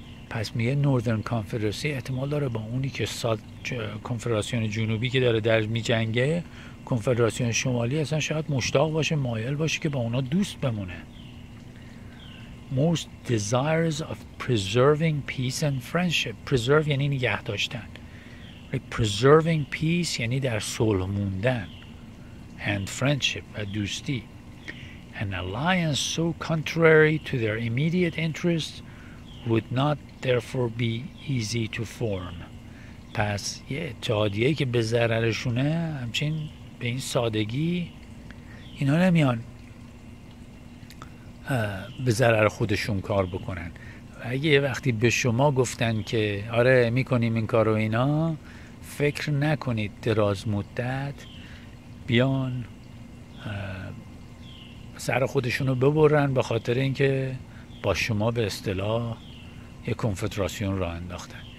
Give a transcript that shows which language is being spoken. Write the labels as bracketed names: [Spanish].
[Persian] پس میگه Northern Confederacy احتمال داره با اونی که کنفدراسیون جنوبی که داره در می جنگه کنفدراسیون شمالی اصلا شاید مشتاق باشه، مایل باشه که با اونا دوست بمونه. [English] most desirous of preserving peace and friendship. [Persian] preserve یعنی نگه داشتن. preserving peace یعنی در صلح موندن. [English] and friendship [Persian] و دوستی. [English] an alliance so contrary to their immediate interests would not therefore be easy to form. [Persian] پس یه اتحادیه که به ضررشونه همچنین به این سادگی اینا نمیان به ضرر خودشون کار بکنن. و اگه یه وقتی به شما گفتن که آره میکنیم این کارو اینا، فکر نکنید دراز مدت بیان سر خودشونو ببرن به خاطر اینکه با شما به اصطلاح یه کنفدراسیون را انداختن.